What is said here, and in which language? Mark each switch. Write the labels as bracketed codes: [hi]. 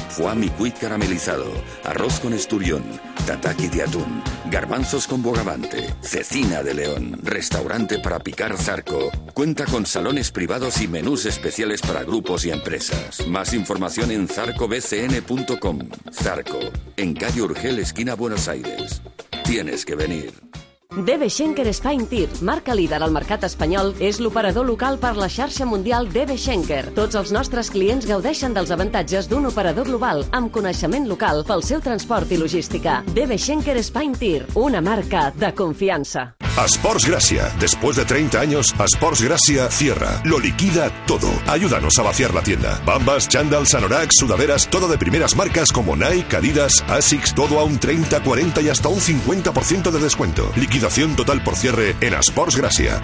[es] Foie mi-cuit caramelizado, arroz con esturión, tataki de atún, garbanzos con bogavante, cecina de león. Restaurante para picar Zarco. Cuenta con salones privados y menús especiales para grupos y empresas. Más información en zarcobcn.com. Zarco, en calle Urgel, esquina a Buenos Aires. Tienes que venir. [ca] DB Schenker Spine Tir, marca líder al mercat espanyol, és l'operador local per la xarxa mundial DB Schenker. Tots els nostres clients gaudeixen dels avantatges d'un operador global amb coneixement local pel seu transport i logística. DB Schenker Spine Tir, una marca de confiança. [es] Sports Gracia. Después de 30 años, Sports Gracia cierra. Lo liquida todo. Ayúdanos a vaciar la tienda. Bambas, chándals, anoraks, sudaderas, todo de primeras marcas como Nike, Adidas, Asics, todo a un 30, 40 y hasta un 50% de descuento. Liquidación total por cierre en Sports Gracia.